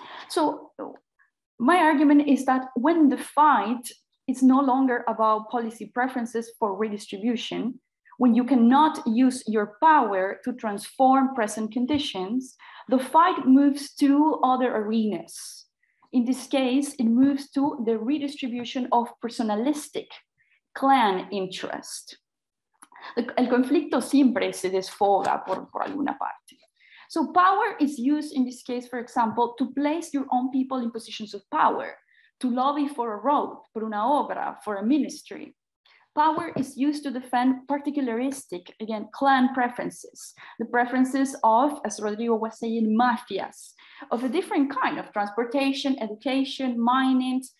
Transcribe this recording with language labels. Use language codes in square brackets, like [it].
[en] So my argument is that when the fight is no longer about policy preferences for redistribution, when you cannot use your power to transform present conditions, the fight moves to other arenas. In this case, it moves to the redistribution of personalistic clan interest. [es] El conflicto siempre se desfoga por alguna parte. [en] So power is used in this case, for example, to place your own people in positions of power, to lobby for a road, [es] por una obra, [en] for a ministry. Power is used to defend particularistic, again, clan preferences, the preferences of, as Rodrigo was saying, mafias, of a different kind of transportation, education, mining.